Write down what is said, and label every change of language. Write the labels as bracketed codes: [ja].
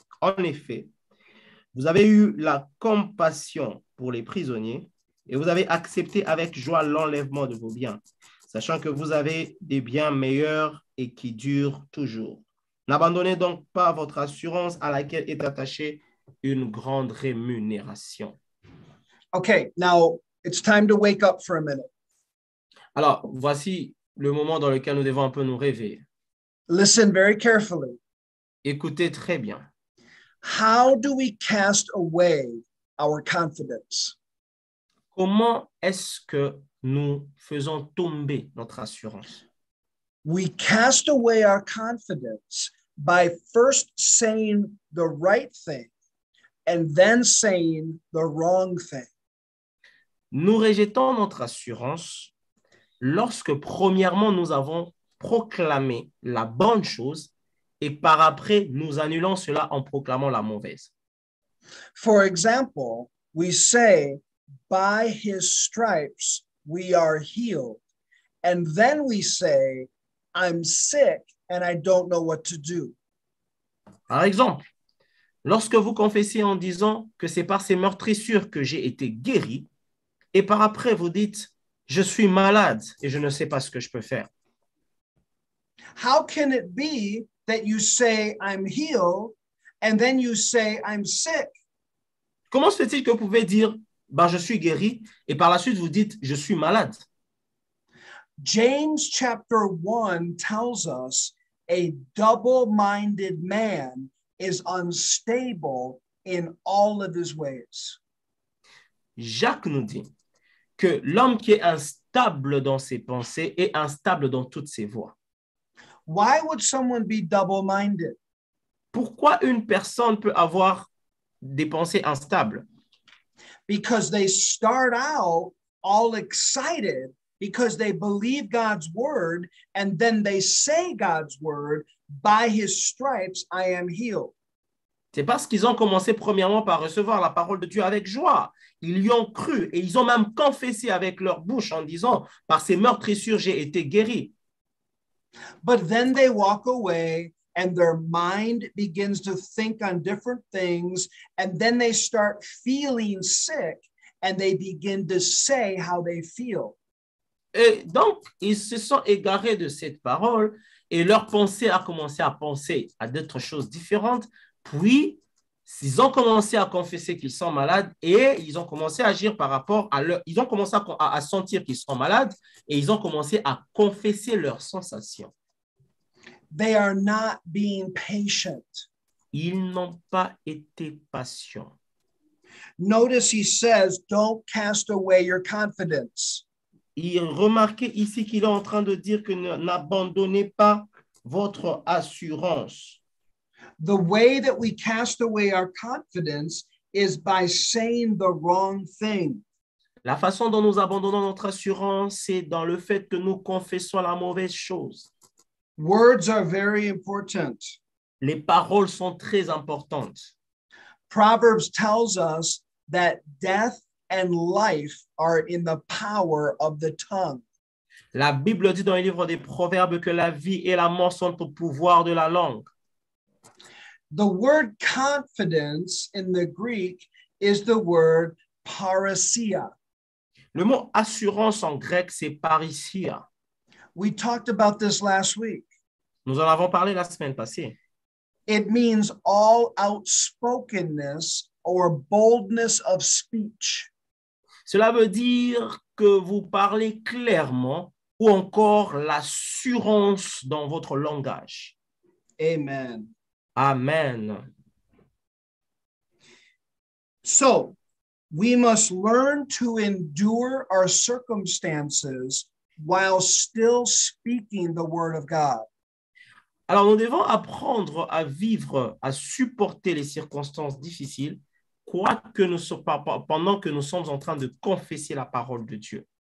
[fr] En effet, vous avez eu la compassion pour les prisonniers et vous avez accepté avec joie l'enlèvement de vos biens, sachant que vous avez des biens meilleurs et qui durent toujours. N'abandonnez donc pas votre assurance à laquelle est attachée une grande rémunération. [en] Okay, now it's time to wake up for a minute. [fr] Alors, voici le moment dans lequel nous devons un peu nous réveiller. [en] Listen very carefully. [fr] Écoutez très bien. [en] How do we cast away our confidence? [fr] Comment est-ce que nous faisons tomber notre assurance? [en] We cast away our confidence by first saying the right thing and then saying the wrong thing. [fr] Nous rejetons notre assurance lorsque premièrement nous avons proclamé la bonne chose et par après nous annulons cela en proclamant la mauvaise. [en] For example, we say, by his stripes we are healed. And then we say, I'm sick and I don't know what to do. [fr] Par exemple, lorsque vous confessez en disant que c'est par ses meurtrissures que j'ai été guéri, et par après vous dites, je suis malade et je ne sais pas ce que je peux faire. [en] How can it be that you say, I'm healed, and then you say, I'm sick? [fr] Comment se fait-il que vous pouvez dire, ben, je suis guéri, et par la suite vous dites, je suis malade? [en] James chapter 1 tells us a double-minded man is unstable in all of his ways. [fr] Jacques nous dit que l'homme qui est instable dans ses pensées est instable dans toutes ses voies. [en] Why would someone be double-minded? [fr] Pourquoi une personne peut avoir des pensées instables? [en] Because they start out all excited because they believe God's word and then they say God's word, by his stripes I am healed. [fr] C'est parce qu'ils ont commencé premièrement par recevoir la parole de Dieu avec joie. Ils y ont cru et ils ont même confessé avec leur bouche en disant, par ses meurtrissures j'ai été guéri. [en] But then they walk away and their mind begins to think on different things and then they start feeling sick and they begin to say how they feel. [fr] Et donc, ils se sont égarés de cette parole et leur pensée a commencé à penser à d'autres choses différentes. Puis, ils ont commencé à confesser qu'ils sont malades et ils ont commencé à agir par rapport à leur... Ils ont commencé à sentir qu'ils sont malades et ils ont commencé à confesser leurs sensations. [en] They are not being patient. [fr] Ils n'ont pas été patients. [en] Notice he says, don't cast away your confidence. [fr] Il remarquait ici qu'il est en train de dire que n'abandonnez pas votre assurance. [en] The way that we cast away our confidence is by saying the wrong thing. [fr] La façon dont nous abandonnons notre assurance, c'est dans le fait que nous confessons la mauvaise chose. [en] Words are very important. [fr] Les paroles sont très importantes. [en] Proverbs tells us that death and life are in the power of the tongue. [fr] La Bible dit dans le livre des Proverbes que la vie et la mort sont au pouvoir de la langue. [en] The word confidence in the Greek is the word parousia. [fr] Le mot assurance en grec, c'est parousia. [en] We talked about this last week. [fr] Nous en avons parlé la semaine passée. [en] It means all outspokenness or boldness of speech. [fr] Cela veut dire que vous parlez clairement ou encore l'assurance dans votre langage. [en] Amen. [fr] Amen. [en] So, we must learn to endure our circumstances while still speaking the word of God. [fr] Alors, nous devons apprendre à vivre, à supporter les circonstances difficiles, pendant que nous sommes en train de confesser la parole de Dieu.